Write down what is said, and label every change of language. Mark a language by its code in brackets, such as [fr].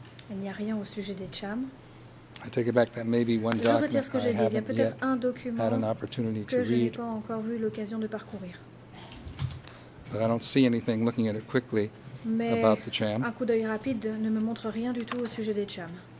[fr] Il n'y a rien au sujet des Cham. [en] I take it back that maybe one document I haven't yet had an opportunity to read. [fr] Je n'ai pas encore eu l'occasion de parcourir. [en] But I don't see anything looking at it quickly. [fr] Mais [en] about the Cham. [fr] Un coup d'œil rapide ne me montre rien du tout au sujet des Cham.